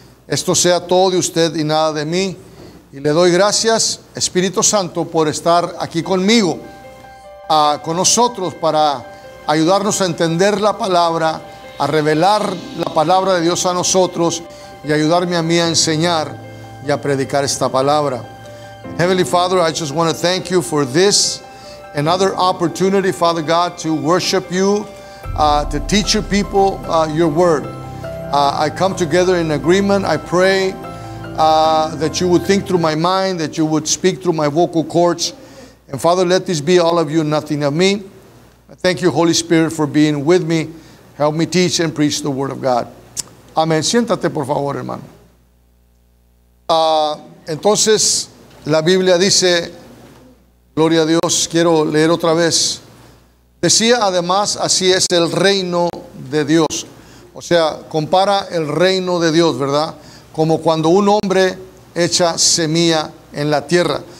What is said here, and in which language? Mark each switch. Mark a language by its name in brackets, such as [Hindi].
[Spanish] Esto sea todo de usted y nada de mí. Y le doy gracias, Espíritu Santo, por estar aquí conmigo, con nosotros, para ayudarnos a entender la palabra, a revelar la palabra de Dios a nosotros y ayudarme a mí a enseñar y a predicar esta palabra. [English] Heavenly Father, I just want to thank you for this, another opportunity, Father God, to worship you, to teach your people your word. I come together in agreement. I pray that you would think through my mind, that you would speak through my vocal cords. And Father, let this be all of you, nothing of me. Thank you, Holy Spirit, for being with me. Help me teach and preach the word of God. [Spanish] Amén. Siéntate, por favor, hermano. Entonces, la Biblia dice, gloria a Dios, quiero leer otra vez. Decía, además, así es el reino de Dios. O sea, compara el reino de Dios, ¿verdad? Como cuando un hombre echa semilla en la tierra.